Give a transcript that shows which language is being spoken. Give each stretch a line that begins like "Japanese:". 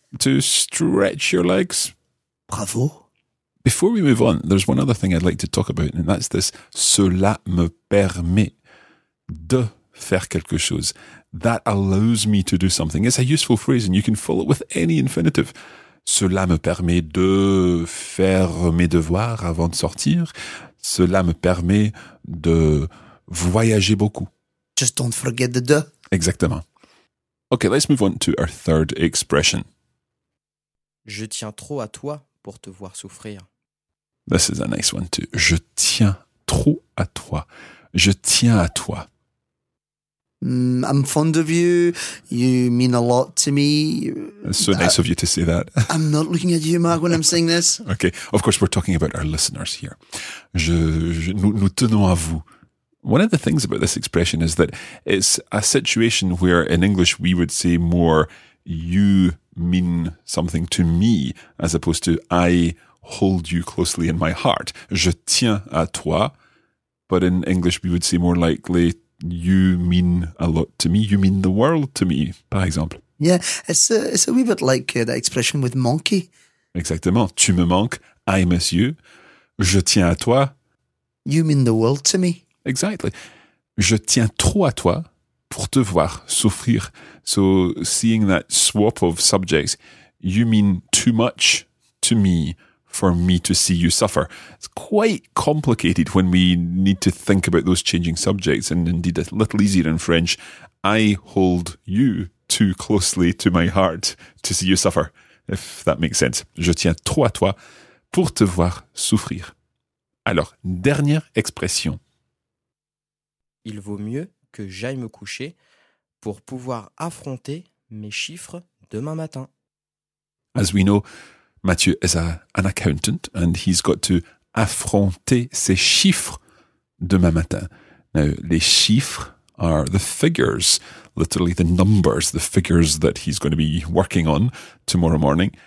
English: To stretch your legs. Bravo. Before we move on, there's one other thing I'd like to talk about, and that's this.
French: Cela me permet de faire quelque chose.
English: That allows me to do something. It's a useful phrase, and you can follow it with any infinitive.
French: Cela me permet de faire mes devoirs avant de sortir. Cela me permet de voyager beaucoup.
English: Just don't forget the de.
French: Exactement.
English: Okay, let's move on to our third expression.
French: Je tiens trop à toi pour te voir souffrir.
English: This is a nice one too.
French: Je tiens trop à toi. Je tiens à toi.
English: I'm fond of you. You mean a lot to me. It's so nice of you to say that. I'm not looking at you, Mark, when I'm saying this. Okay. Of course, we're talking about our listeners here.
French: Nous tenons à vous.
English: One of the things about this expression is that it's a situation where in English we would say more you mean something to me as opposed to I hold you closely in my heart.
French: Je tiens à toi.
English: But in English we would say more likely you mean a lot to me. You mean the world to me, par exemple. Yeah, it's a wee bit like that expression with monkey.
French: Exactement. Tu me manques.
English: I miss you.
French: Je tiens à toi.
English: You mean the world to me. Exactly.
French: Je tiens trop à toi pour te voir souffrir.
English: So seeing that swap of subjects, you mean too much to me for me to see you suffer. It's quite complicated when we need to think about those changing subjects, and indeed a little easier in French. I hold you too closely to my heart to see you suffer, if that makes sense.
French: Je tiens trop à toi pour te voir souffrir. Alors, dernière expression. Il vaut mieux que j'aille me coucher pour pouvoir affronter mes chiffres demain matin.
English: As we know, Mathieu is an accountant and he's got to
French: affronter ses chiffres demain matin.
English: Now, les chiffres are the figures, literally the numbers, the figures that he's going to be working on tomorrow morning.